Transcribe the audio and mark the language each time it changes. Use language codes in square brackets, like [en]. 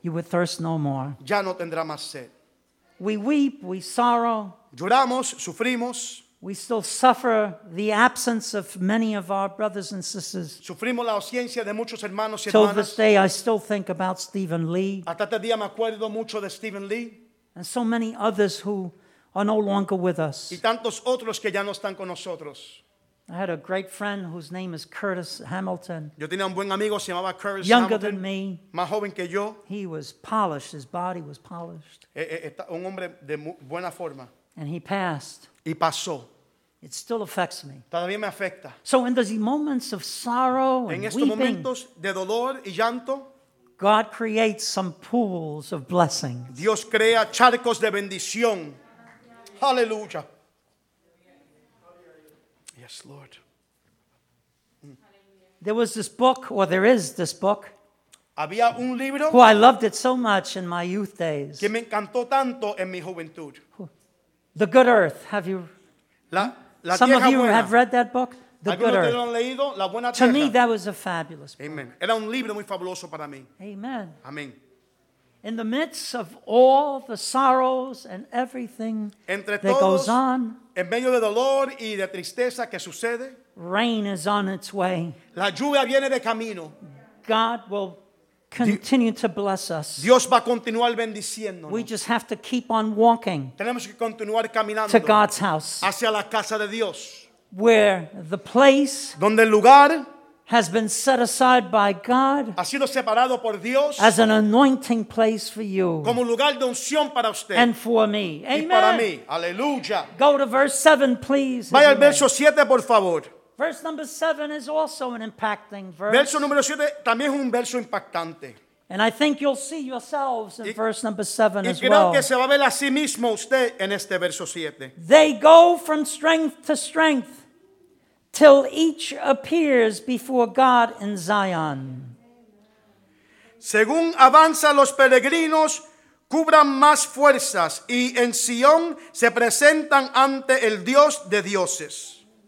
[en] you would thirst no more. [es] Ya no tendrá más sed. [en] We weep, we sorrow. [es] Lloramos, sufrimos. [en] We still suffer the absence of many of our brothers and sisters. [es] Sufrimos la ausencia de muchos hermanos y hermanas. [en] Till this day, I still think about Stephen Lee. [es] Hasta este día me acuerdo mucho de Stephen Lee. [en] And so many others who are no longer with us. [es] Y tantos otros que ya no están con nosotros. [en] I had a great friend whose name is Curtis Hamilton. [es] Yo tenía un buen amigo, se llamaba Curtis [en] younger [es] Hamilton, [en] than me. [es] Más joven que yo. [en] He was polished. His body was polished. [es] Un hombre de buena forma. [en] And he passed. [es] Y pasó. [en] It still affects me. [es] Todavía me afecta. [en] So in those moments of sorrow and [es] en estos [en] weeping, [es] momentos de dolor y llanto, [en] God creates some pools of blessing. [es] Dios crea charcos de bendición. Hallelujah. [en] Yes, Lord. There was this book, or there is this book, [es] había un libro, [en] who I loved it so much in my youth days. [es] Que me encantó tanto en mi juventud. [en] The Good Earth. Have you? [es] La [en] some of you [es] buena. [en] Have read that book? The Good Earth. [es] Lo han leído, la buena [en] to me, that was a fabulous book. [es] Amen. Era un libro muy fabuloso para mí. [en] Amen. [es] Amen. [en] In the midst of all the sorrows and everything [es] entre [en] that [es] todos, [en] goes on, [es] en medio de dolor y de tristeza que sucede, [en] rain is on its way. [es] La lluvia viene de camino. [en] God will continue to bless us. [es] Dios va a continuar bendiciéndonos. [en] We just have to keep on walking. [es] Tenemos que continuar caminando [en] to God's house. [es] Hacia la casa de Dios. [en] Where the place [es] donde el lugar [en] has been set aside by God [es] ha sido separado por Dios [en] as an anointing place for you [es] como lugar de unción para usted [en] and for me. Amen. [es] Y para mí. Aleluya. [en] Go to verse 7, please. [es] Vaya al verso 7, por favor. [en] Verse number 7 is also an impacting verse. [es] Verso número 7 también es un verso impactante. [en] And I think you'll see yourselves in verse number 7 [es] y [en] as [es] creo [en] well. [es] Que se va a ver a sí mismo usted en este verso 7. [en] They go from strength to strength till each appears before God in Zion. [es] Según avanza los peregrinos, cubran más fuerzas y en Sion se presentan ante el Dios de dioses.